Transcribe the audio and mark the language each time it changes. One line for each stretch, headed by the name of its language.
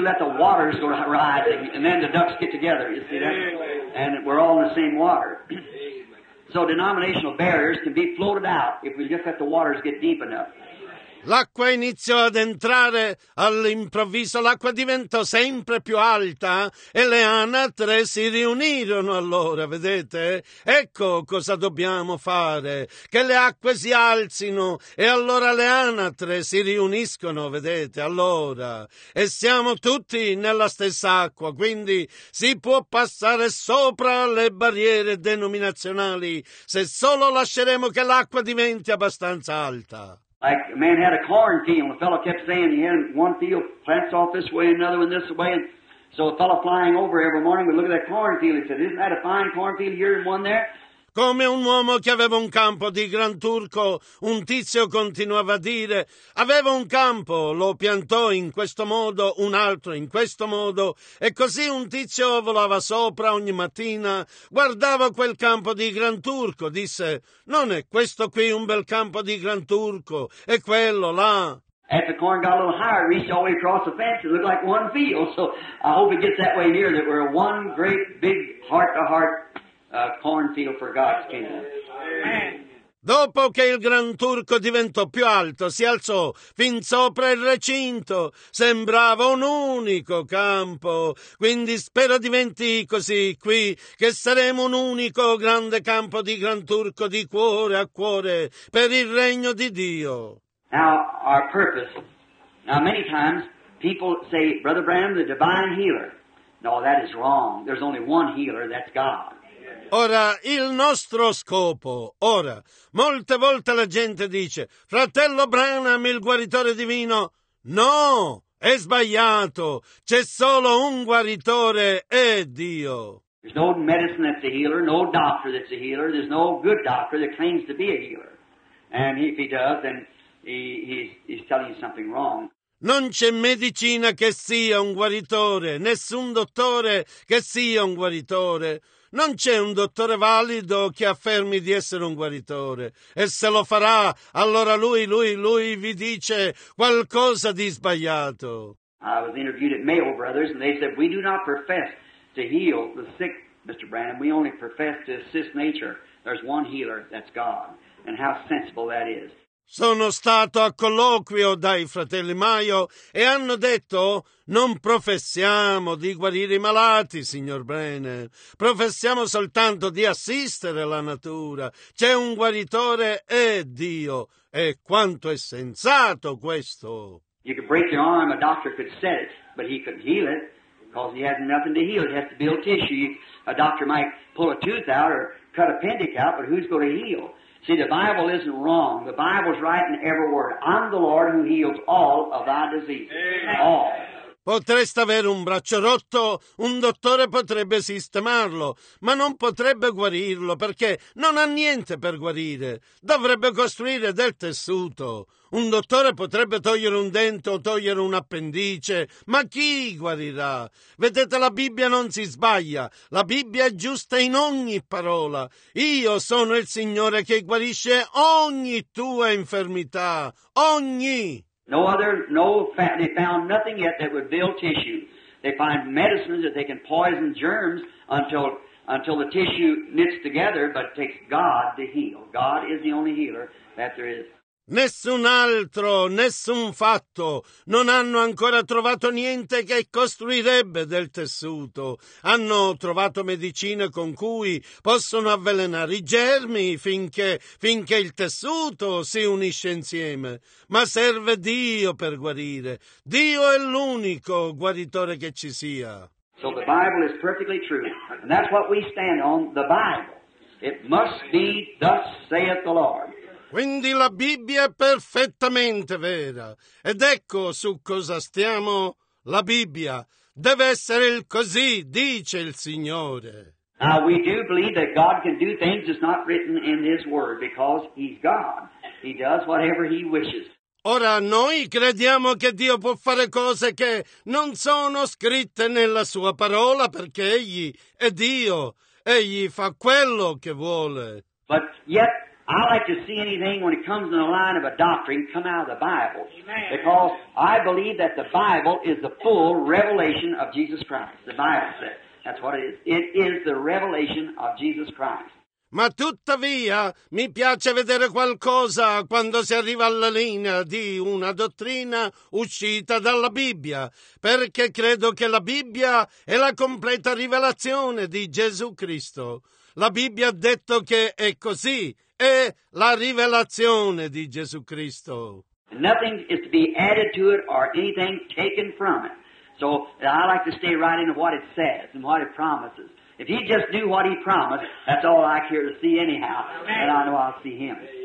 English: Let the waters go rising and then the ducks get together. You see that? And we're all in the same water. So denominational barriers can be floated out if we just let the waters get deep enough.
Italian: L'acqua iniziò ad entrare all'improvviso, l'acqua diventò sempre più alta e le anatre si riunirono allora, vedete? Ecco cosa dobbiamo fare, che le acque si alzino e allora le anatre si riuniscono, vedete? Allora, e siamo tutti nella stessa acqua, quindi si può passare sopra le barriere denominazionali se solo lasceremo che l'acqua diventi abbastanza alta.
English: Like a man had a corn field, and the fellow kept saying he had one field plants off this way, another one this way, and so a fellow flying over every morning would look at that corn field and said, "Isn't that a fine corn field here and one there?"
Italian: Come un uomo che aveva un campo di gran turco, un tizio continuava a dire, aveva un campo, lo piantò in questo modo, un altro in questo modo, e così un tizio volava sopra ogni mattina, guardava quel campo di gran turco, disse, non è questo qui un bel campo di gran turco, è quello là.
English: As the corn got a little higher, reached all the way across the fence, it looked like one field, so I hope it gets that way here, that we're one great big heart-to-heart cornfield for God's kingdom.
Italian: Dopo che il gran turco diventò più alto, si alzò fin sopra il recinto, sembrava un unico campo. Quindi spero diventi così qui, che saremo un unico grande campo di gran turco di cuore a cuore per il regno di Dio.
English: Now our purpose. Now many times people say, Brother Branham, the divine healer. No, that is wrong. There's only one healer, that's God.
Italian: Ora, il nostro scopo, ora, molte volte la gente dice, fratello Branham, il guaritore divino, no, è sbagliato, c'è solo un guaritore, è Dio.
English: There's no medicine that's a healer, no doctor that's a healer, there's no good doctor that claims to be a healer. And if he does, then he's telling you something wrong.
Italian: Non c'è medicina che sia un guaritore, nessun dottore che sia un guaritore. Non c'è un dottore valido che affermi di essere un guaritore. E se lo farà, allora lui vi dice qualcosa di sbagliato.
English: I was interviewed at Mayo Brothers and they said, we do not profess to heal the sick, Mr. Branham. We only profess to assist nature. There's one healer, that's God. And how sensible that is.
Italian: Sono stato a colloquio dai fratelli Mayo e hanno detto non professiamo di guarire i malati, signor Brenner. Professiamo soltanto di assistere la natura. C'è un guaritore e Dio. E quanto è sensato questo!
English: You could break your arm, a doctor could set it, but he couldn't heal it because he has nothing to heal. He has to build tissue. A doctor might pull a tooth out or cut an appendix out, but who's going to heal? See, the Bible isn't wrong. The Bible's right in every word. I'm the Lord who heals all of thy diseases. All.
Italian: Potreste avere un braccio rotto, un dottore potrebbe sistemarlo, ma non potrebbe guarirlo perché non ha niente per guarire. Dovrebbe costruire del tessuto. Un dottore potrebbe togliere un dente o togliere un appendice, ma chi guarirà? Vedete, la Bibbia non si sbaglia, la Bibbia è giusta in ogni parola. Io sono il Signore che guarisce ogni tua infermità, ogni.
English: They found nothing yet that would build tissue. They find medicines that they can poison germs until the tissue knits together, but it takes God to heal. God is the only healer that there is.
Italian: Nessun altro, nessun fatto, non hanno ancora trovato niente che costruirebbe del tessuto. Hanno trovato medicine con cui possono avvelenare i germi finché il tessuto si unisce insieme. Ma serve Dio per guarire. Dio è l'unico guaritore che ci sia.
English: So the Bible is perfectly true, and that's what we stand on, the Bible. It must be thus saith the Lord.
Italian: Quindi la Bibbia è perfettamente vera. Ed ecco su cosa stiamo. La Bibbia deve essere il così, dice il Signore.
English: Now we do believe that God can do things that's not written in His Word, because He's God. He does whatever He wishes.
Italian: Ora noi crediamo che Dio può fare cose che non sono scritte nella Sua parola, perché Egli è Dio. Egli fa quello che vuole.
English: But yet, I like to see anything when it comes in the line of a doctrine come out of the Bible. Because I believe that the Bible is the full revelation of Jesus Christ. The Bible says. That's what it is. It is the revelation of Jesus Christ.
Italian: Ma tuttavia mi piace vedere qualcosa quando si arriva alla linea di una dottrina uscita dalla Bibbia, perché credo che la Bibbia è la completa rivelazione di Gesù Cristo. La Bibbia ha detto che è così, è la rivelazione di Gesù Cristo.
English: Nothing is to be added to it or anything taken from it. So I like to stay right in what it says and what it promises. If he just knew what he promised, that's all I care to see anyhow, and I know I'll see him.